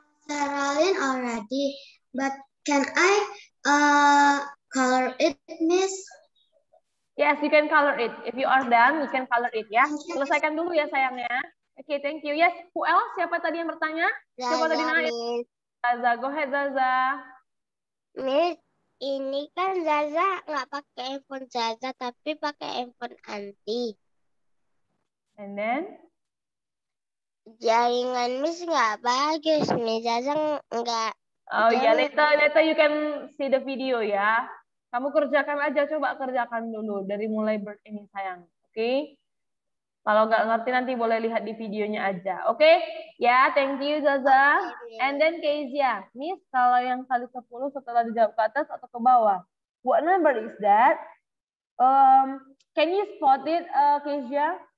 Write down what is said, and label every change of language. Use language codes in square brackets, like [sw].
[en] Sherilyn already, but can I color it, miss? Yes, you can color it. If you are done, you can color it ya. [id] Selesaikan dulu ya, sayangnya. Oke, okay, [en] thank you. Yes, who else? [id] Siapa tadi yang bertanya? Zaza, siapa tadi naik? [en] Zaza, go ahead Zaza. [id] Miss, ini kan Zaza nggak pakai handphone Zaza, tapi pakai handphone auntie. [en] And then? [id] Jaringan Miss nggak bagus, Miss. Zaza nggak. Oh iya, [en] later you can see the video ya. [id] Kamu kerjakan aja, coba kerjakan dulu dari mulai bird ini sayang, oke? Okay? Kalau nggak ngerti nanti boleh lihat di videonya aja. Oke? Okay? [en] Ya, yeah, thank you Zaza. Okay, and then Kezia. [id] Miss, kalau yang kali 10 setelah dijawab ke atas atau ke bawah. [en] What number is that? Can you spot it, Kezia?